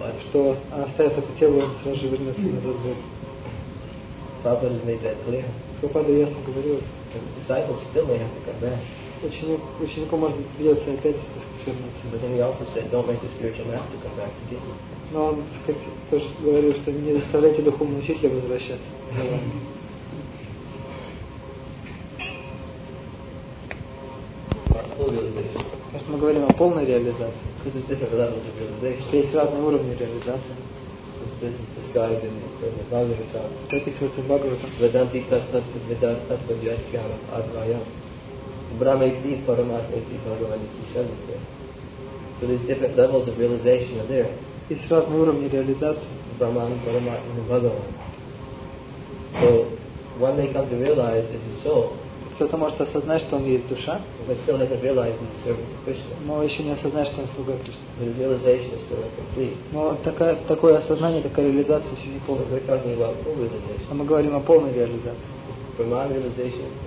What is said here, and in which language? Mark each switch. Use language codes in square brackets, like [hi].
[ru] что оставив это тело, он сразу же вернется назад в Бог. [en] Prabhupada has made that clear. [ru] Prabhupada ясно говорил. [en] The disciples still may have to come back. [ru] Ученику может быть придется опять вернуться. [en] But then he also said, don't make the spiritual master come back to get you. [ru] Но он, так сказать, тоже говорил, что не заставляйте духовного учителя возвращаться. Потому что мы говорим о полной реализации. [en] This is different levels of realization. [ru] Что есть разные уровни реализации. [en] This is described in the Bhagavatam. [ru] Так и сказано в Бхагаватам. [sa] Vedanti tattva vidastattva vyakhyana advayam. Brahmaiti paramatmaiti bhagavaniti shalitya. [en] So there's different levels of realization are there. [ru] Есть разные уровни реализации. [en] Brahman, paramatma, and bhagavan. So when they come to realize it is so. [ru] Кто-то может осознать, что он есть душа, но еще не осознает, что он слуга Кришны. Но такое осознание, такая реализация еще не полная. А мы говорим о полной реализации.